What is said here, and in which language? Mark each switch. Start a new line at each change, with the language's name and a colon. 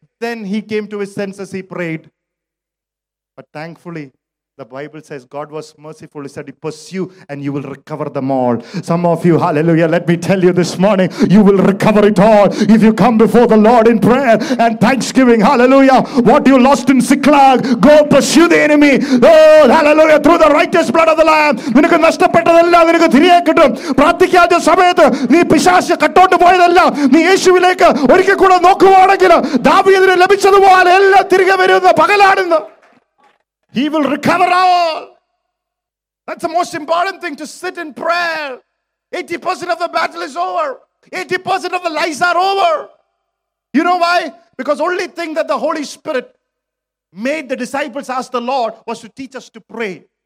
English: Then he came to his senses, he prayed. But thankfully, the Bible says God was merciful. He said, pursue and you will recover them all. Some of you, hallelujah, let me tell you this morning, you will recover it all if you come before the Lord in prayer and thanksgiving. Hallelujah. What you lost in Siklag, go pursue the enemy. Oh, hallelujah. Through the righteous blood of the Lamb.
Malayalam: നിനക്ക് നഷ്ടപ്പെട്ടതെല്ലാം നിനക്ക് തിരികെ കിട്ടും. പ്രാർത്ഥിക്കാത്ത സമയത്ത് നീ പിശാചിനെ കട്ടോട്ട് പോയതെല്ലാം നീ യേശുവിലേക്ക് ഒരിക്കൽ കൂടെ നോക്കുവാണെങ്കിൽ ദാവീദിന് ലഭിച്ചതുപോലെ എല്ലാം തിരികെ വരുന്ന പകലാണെന്ന്.
English: He will recover all. That's the most important thing, to sit in prayer. 80% of the battle is over. 80% of the lies are over. You know why? Because only thing that the Holy Spirit made the disciples ask the Lord was to teach us to pray.